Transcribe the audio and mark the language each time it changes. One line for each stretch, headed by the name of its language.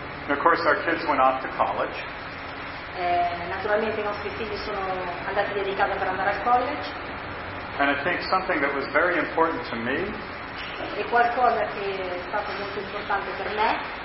English: Of course, our kids went off to college.
Italian: Naturalmente i nostri figli sono andati via di casa per andare al college.
English: And I think something that was very important to me,
Italian: e qualcosa che è stato molto importante per me,